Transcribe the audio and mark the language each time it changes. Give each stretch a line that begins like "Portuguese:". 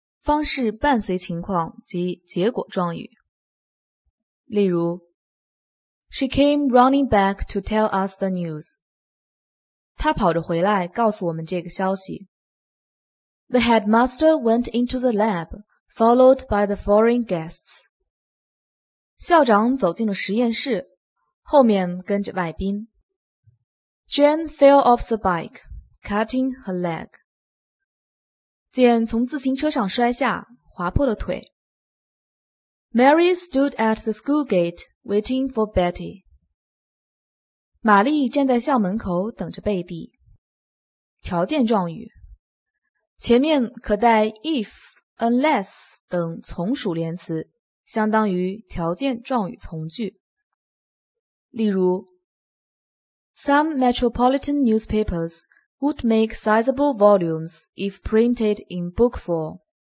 Chinese: 方式伴随情况及结果状语。例如
English: She came running back to tell us the news.
Chinese: 她跑着回来告诉我们这个消息。
English: The headmaster went into the lab, followed by the foreign guests.
Chinese: 校长走进了实验室，后面跟着外宾。
English: Jane fell off the bike, cutting her leg.
Chinese: 简从自行车上摔下，划破了腿。
English: Mary stood at the school gate, waiting for Betty.
Chinese: 玛丽站在校门口等着贝蒂。条件状语。前面可带 if, unless 等从属连词，相当于条件状语从句。例如
English: Some metropolitan newspapers would make sizable volumes if printed in book form.